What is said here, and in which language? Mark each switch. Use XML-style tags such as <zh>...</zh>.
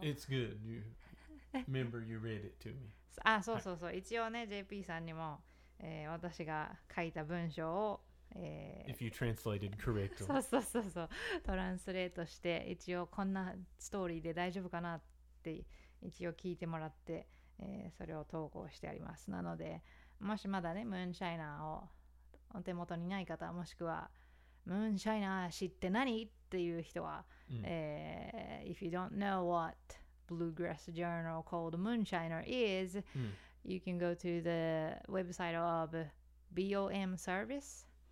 <en>it's good you remember you read it to me、</en> <ja>あ、そうそうそう、はい、一応ね JP さんにも、私が書いた文章を、</ja> <en>if you translated correctly</en> <ja>そうそうそうそう、トランスレートして一応こんなストーリーで大丈夫かなって一応聞いてもらって、それを投稿してあります。なのでもしまだねムーンシャイナーをお手元にない方、もしくはムーンシャイナー知って何っていう人は、うん、</ja> <en>If you don't know what Bluegrass Journal called Moonshiner is、</en> <ja>うん、</ja> <en>you can go to the website of BOM Service.</en>